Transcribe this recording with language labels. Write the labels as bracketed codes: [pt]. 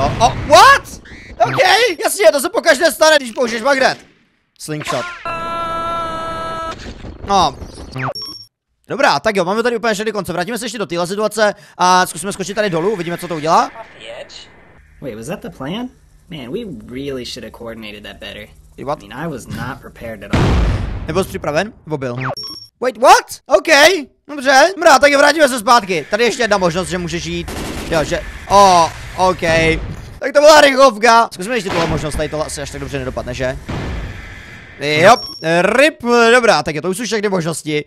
[en] Oh, what? [cs] Okej, okay, jasně, to se pokaždé stane, když použiješ magnet. Slingshot. No. Dobrá, tak jo, máme tady úplně všechny konce. Vrátíme se ještě do téhle situace a zkusíme skočit tady dolů, uvidíme, co to udělá. [en] Wait, was that the plan? Man, we really should have coordinated that better. What? I mean, I was not prepared at all. [cs] Nebyl jsi připraven? Nebo byl? [en] Wait, what? [cs] Okay, dobře. Dobrá, tak jo, vrátíme se zpátky. Tady ještě jedna možnost, že můžeš jít. Jo, že... Oh, okay. Tak to byla rychlovka. Zkusme ještě tuhle možnost, tady tohle asi až tak dobře nedopadne, že? Jop, rip, dobrá, tak je to už všechny možnosti.